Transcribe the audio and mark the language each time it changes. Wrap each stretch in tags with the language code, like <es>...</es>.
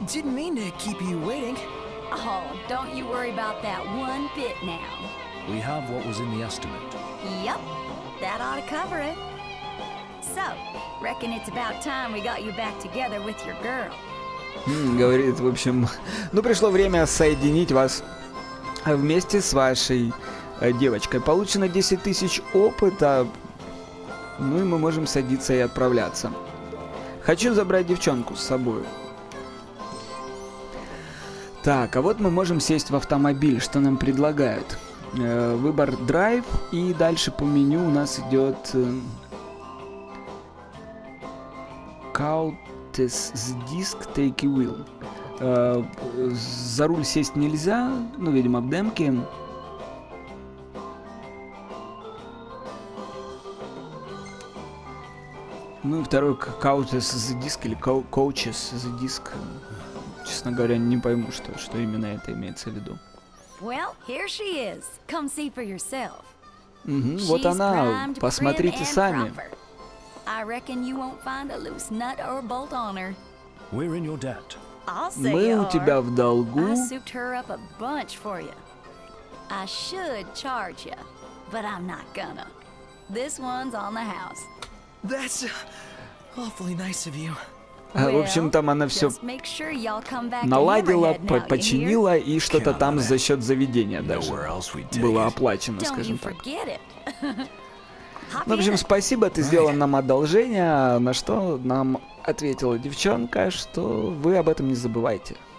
<en>Didn't mean to keep you waiting. Oh, don't you worry about that one bit now. We have what was in the estimate. Yep, that ought to cover it. So, reckon it's about time we got you back together with your girl.</en> <ru>Говорит, в общем, ну пришло время соединить вас вместе с вашей девочкой. Получено 10 тысяч опыта, ну и мы можем садиться и отправляться. Хочу забрать девчонку с собой. Так, а вот мы можем сесть в автомобиль. Что нам предлагают? Выбор Drive, и дальше по меню у нас идет Countess Disc Take a Wheel. За руль сесть нельзя, ну, видимо, в демке. Ну и второй Countess Disc или Coaches Disc. Честно говоря, не пойму, что именно это имеется в виду.</ru> <en>Well, here she is. Come see for yourself.</en> <ru>Вот она, посмотрите сами.</ru> <en>I reckon you won't find a loose nut or bolt on her. We're in your debt.</en> <ru>Мы у тебя в долгу.</ru> <en>I souped her up a bunch for you. I should charge you, but I'm not gonna. This one's on the house. That's awfully nice of you.</en> <ru>В общем, там она все наладила, починила и что-то там за счет заведения даже было оплачено, скажем так. В общем, спасибо, ты сделал нам одолжение, на что нам ответила девчонка, что вы об этом не забывайте.</ru>